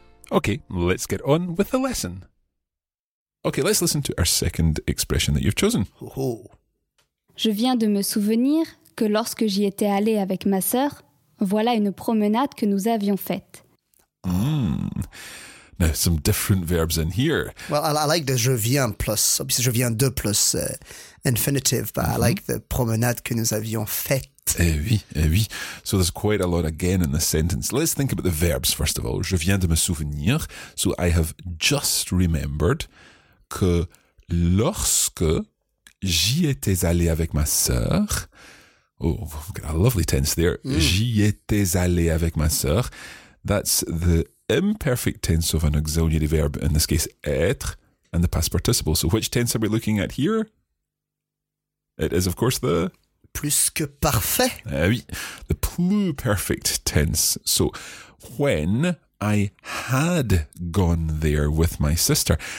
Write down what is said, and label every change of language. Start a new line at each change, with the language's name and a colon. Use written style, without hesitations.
English: Okay, let's get on with the lesson. Okay, let's listen to our second expression that you've chosen. Oh.
French: Je viens de me souvenir que lorsque j'y étais allée avec ma sœur, voilà une promenade que nous avions faite.
English: Now, some different verbs in here. Well, I like the
French: je viens
English: plus, obviously
French: je viens de
English: plus infinitive, but I like the
French: promenade que nous avions faite. Eh oui.
English: So there's quite a lot again in the sentence. Let's think about the verbs first of all.
French: Je viens de me souvenir.
English: So I have just remembered
French: que lorsque j'y étais allé avec ma sœur.
English: Oh, we've got a lovely tense there.
French: J'y étais allé avec ma sœur.
English: That's the imperfect tense of an auxiliary verb, in this case, être, and the past participle. So which tense are we looking at here? It is, of course, the...
French: Plus que parfait. Oui,
English: the pluperfect tense. So, when I had gone there with my sister.